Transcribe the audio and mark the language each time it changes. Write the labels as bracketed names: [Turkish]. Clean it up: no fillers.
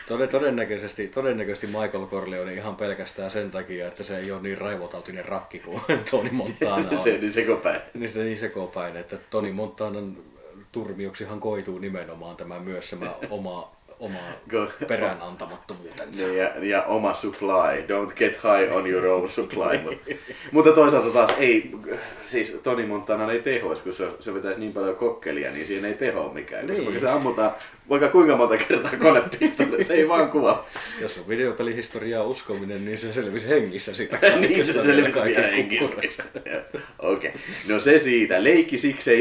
[Finnish] Todennäköisesti Michael Corleone ihan pelkästään sen takia, että se ei ole niin raivotautinen rakki kuin Tony Montana on. Se niin sekopäin. Niin se niin sekopäin, että Tony Montanan turmioksihan koituu nimenomaan tämä myös se oma perään antamattomuutensa. Ja oma supply. [English] Don't get high on your own supply. [Finnish] Mutta toisaalta taas ei, siis Tony Montana ei tehoisi, kun se vetäisi niin paljon kokkelia, niin siinä ei teho mikään. Niin. Koska se ammutaan vaikka kuinka monta kertaa konepistolle, se ei vaan kuva. Jos on videopelihistoriaa uskominen, niin se selvisi hengissä sitä. Niin se selvisi vielä hengissä. Okei, no se siitä. Leikki sikseen.